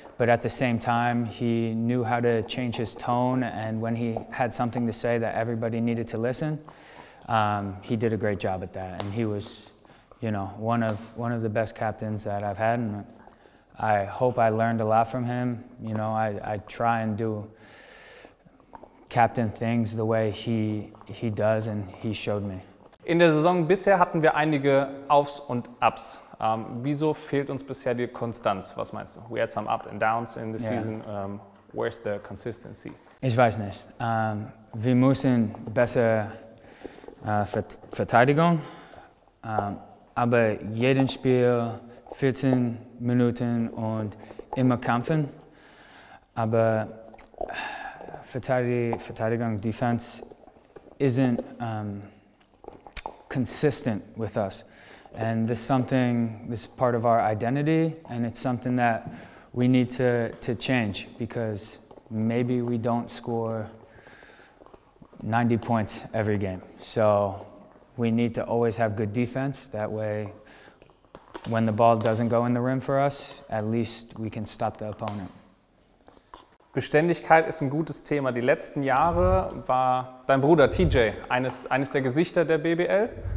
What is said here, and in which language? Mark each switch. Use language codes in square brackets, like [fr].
[en] But at the same time, he knew how to change his tone, and when he had something to say that everybody needed to listen, he did a great job at that. And he was, you know, one of the best captains that I've had, and I hope I learned a lot from him. You know, I try and do captain things the way he does, and he showed me. [de] In der Saison bisher hatten wir einige Aufs und Abs. Wieso fehlt uns bisher die Konstanz? Was meinst du? [en] We had some up and downs in the season. Where's the consistency? [de] Ich weiß nicht. Wir müssen besser Verteidigung. Aber jeden Spiel 14 Minuten und immer kämpfen. Aber Verteidigung, [en] Defense isn't consistent with us. And this is part of our identity, and it's something that we need to change, because maybe we don't score 90 points every game. So we need to always have good defense. That way, when the ball doesn't go in the rim for us, at least we can stop the opponent. [de] Beständigkeit ist ein gutes Thema. Die letzten Jahre war dein Bruder TJ eines der Gesichter der BBL.